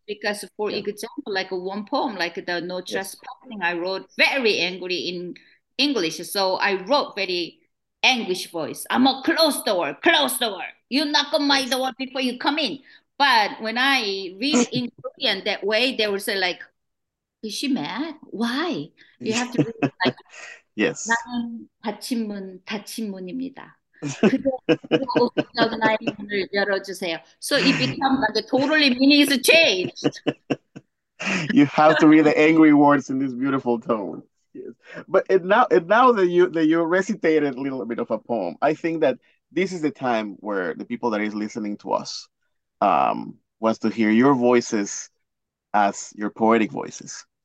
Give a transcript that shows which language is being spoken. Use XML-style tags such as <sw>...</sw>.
<en>Because for yeah. example, like one poem, like the No Trespassing, yes. I wrote very angry in English. So I wrote very anguished voice. I'm a close door, you knock on my door before you come in. But when I read in Korean that way, they would say like, is she mad? Why? You have to read like, yes.</en> <ko>나는 닫힌 문, 닫힌 문입니다. 그대로 나의 문을 열어주세요.</ko> <en>So it becomes like a totally meaning is changed. You have to read the angry words in this beautiful tone. Yes. But and now that you recited a little bit of a poem, I think that this is the time where the people that is listening to us wants to hear your voices as your poetic voices.</en>